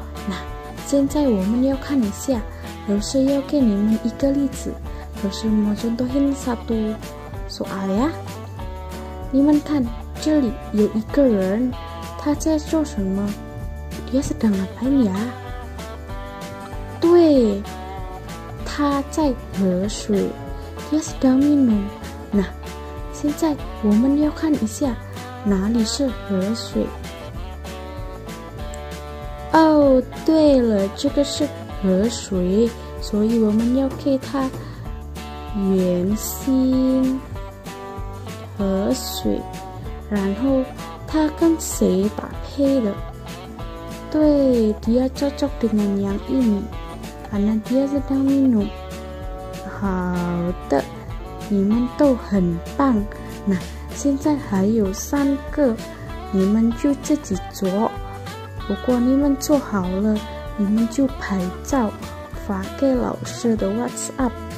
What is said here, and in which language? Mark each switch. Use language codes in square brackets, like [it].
[zh] 那现在我们要看一下，老师要给你们一个例子，老师 [id] mau contohin satu soal ya。 [zh] 你们看，这里有一个人，他在做什么？ [id] dia sedang ngapain ya？ [zh] 对， 他在喝水， [id] dia sedang minum。 [zh] nah， 现在我们要看一下哪里是喝水。 oh， 对了，这个是喝水，所以我们要给它圆心喝水。然后它跟谁打配的？ [id] 对， dia cocok dengan yang ini， karena dia sedang minum。 [zh] 好的，你们都很棒。那现在还有三个，你们就自己做，不过你们做好了，你们就拍照发给老师的 WhatsApp。